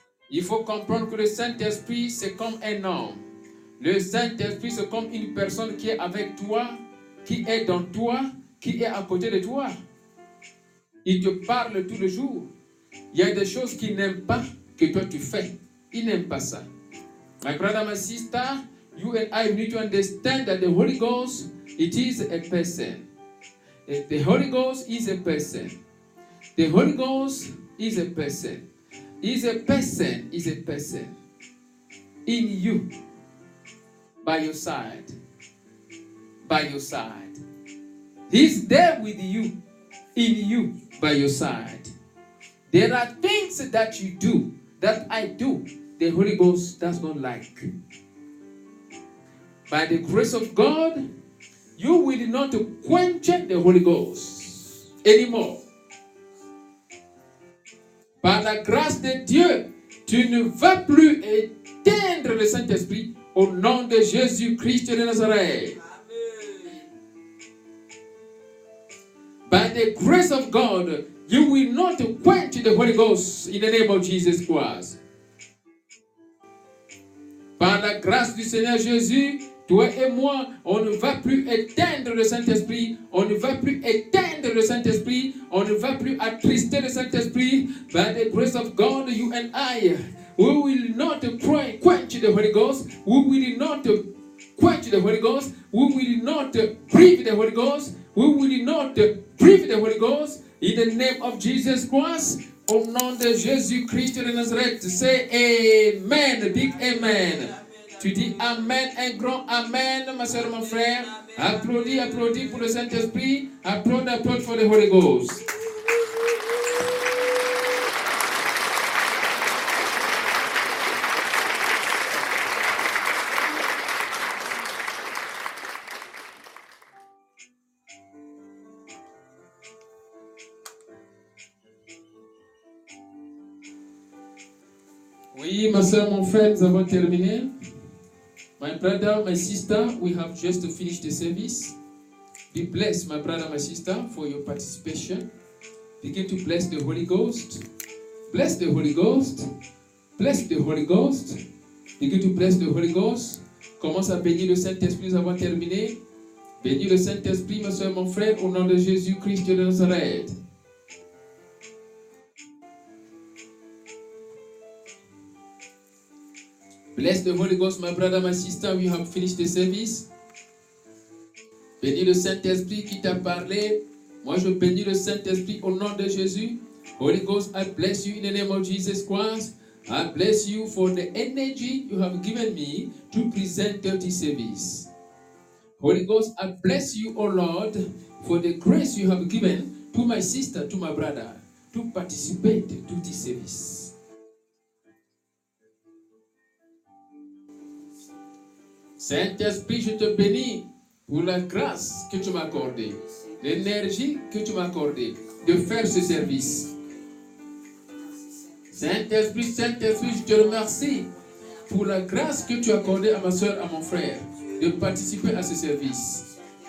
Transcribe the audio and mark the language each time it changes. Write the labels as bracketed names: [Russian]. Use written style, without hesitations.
[French] Il faut comprendre que le Saint-Esprit, c'est comme un homme. Le Saint-Esprit, c'est comme une personne qui est avec toi, qui est dans toi, qui est à côté de toi. Il te parle tout le jour. Il y a des choses qu'il n'aime pas que toi tu fais. Il n'aime pas ça. [English] My brother, my sister, you and I need to understand that the Holy Ghost, it is a person. The Holy Ghost is a person. The Holy Ghost is a person. Is a person. Is a person. In you. By your side. By your side. He's there with you. In you. By your side. There are things that you do, that I do, the Holy Ghost does not like. By the grace of God, you will not quench the Holy Ghost anymore. [French] Par la grâce de Dieu, tu ne vas plus éteindre le Saint-Esprit au nom de Jésus-Christ de Nazareth. [English] By the grace of God, you will not quench the Holy Ghost in the name of Jesus Christ. [French] Par la grâce du Seigneur Jésus, toi et moi, on ne va plus éteindre le Saint-Esprit. On ne va plus éteindre le Saint-Esprit. On ne va plus attrister le Saint-Esprit. [English] By the grace of God, you and I, we will not quench the Holy Ghost. We will not quench the Holy Ghost. We will not breathe the Holy Ghost. We will not breathe the Holy Ghost. In the name of Jesus Christ, [French] au nom de Jésus Christ de Nazareth, [English] say Amen, big Amen. [French] Tu dis Amen, un grand Amen, ma soeur, mon frère. Applaudis, applaudis pour le Saint-Esprit. Applaudis, applaudis pour le Holy Ghost. Oui, ma soeur, mon frère, nous avons terminé. [English] My brother, my sister, we have just finished the service. Be blessed, my brother, my sister, for your participation. Begin to bless the Holy Ghost. Bless the Holy Ghost. Bless the Holy Ghost. Begin to bless the Holy Ghost. [French] Commence à bénir le Saint-Esprit, nous avons terminé. Bénis le Saint-Esprit, ma soeur, mon frère, au nom de Jésus-Christ de Nazareth. [English] Bless the Holy Ghost, my brother, my sister. We have finished the service. [French] Bénis le Saint-Esprit qui t'a parlé. Moi, je bénis le Saint-Esprit au nom de Jésus. [English] Holy Ghost, I bless you in the name of Jesus Christ. I bless you for the energy you have given me to present this service. Holy Ghost, I bless you, O Lord, for the grace you have given to my sister, to my brother, to participate to this service. [French] Saint-Esprit, je te bénis pour la grâce que tu m'as accordée, l'énergie que tu m'as accordée de faire ce service. Saint-Esprit, Saint-Esprit, je te remercie pour la grâce que tu as accordée à ma soeur, à mon frère, de participer à ce service.